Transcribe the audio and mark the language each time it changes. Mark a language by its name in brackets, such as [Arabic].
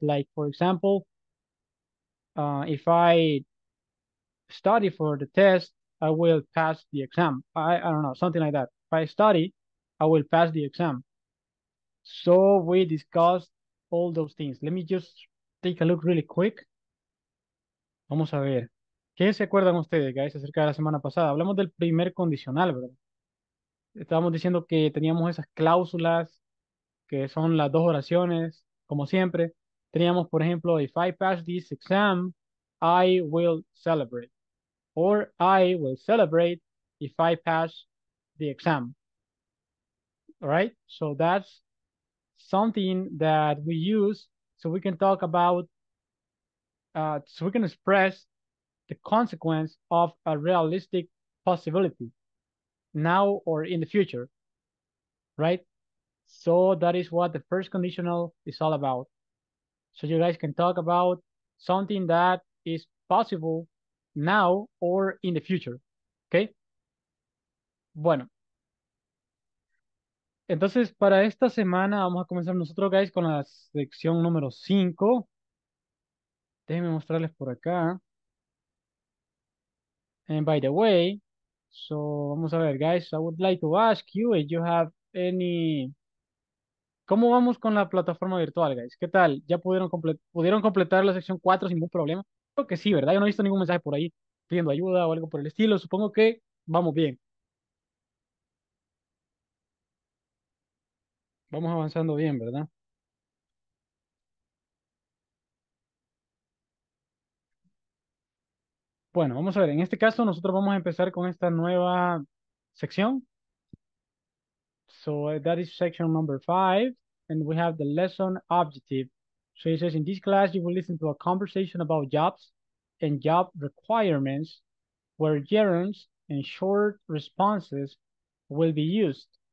[English] Like, for example, if I study for the test, I will pass the exam. I don't know, something like that. If I study, I will pass the exam. So we discussed all those things. Let me just take a look really quick. [Spanish] Vamos a ver. ¿Qué se acuerdan ustedes, guys, acerca de la semana pasada? Hablamos del primer condicional, ¿verdad? Estábamos diciendo que teníamos esas cláusulas que son las dos oraciones, como siempre. Teníamos, por ejemplo, [English] if I pass this exam, I will celebrate. Or I will celebrate if I pass the exam. All right? So that's something that we use so we can talk about, so we can express the consequence of a realistic possibility. Now or in the future, right? So that is what the first conditional is all about. So you guys can talk about something that is possible now or in the future, okay? [Spanish] Bueno. Entonces, para esta semana vamos a comenzar nosotros, guys, con la sección número 5. Déjenme mostrarles por acá. [English] And by the way, so, [Spanish] vamos a ver, [English] guys, I would like to ask you if you have any... [Spanish] ¿Cómo vamos con la plataforma virtual, guys? ¿Qué tal? ¿Ya pudieron completar la sección 4 sin ningún problema? Creo que sí, ¿verdad? Yo no he visto ningún mensaje por ahí pidiendo ayuda o algo por el estilo. Supongo que vamos bien. Vamos avanzando bien, ¿verdad? Bueno, vamos a ver, en este caso nosotros vamos a empezar con esta nueva sección. [English] So that is section number 5, and we have the lesson objective. So it says, in this class, you will listen to a conversation about jobs and job requirements where gerunds and short responses will be used.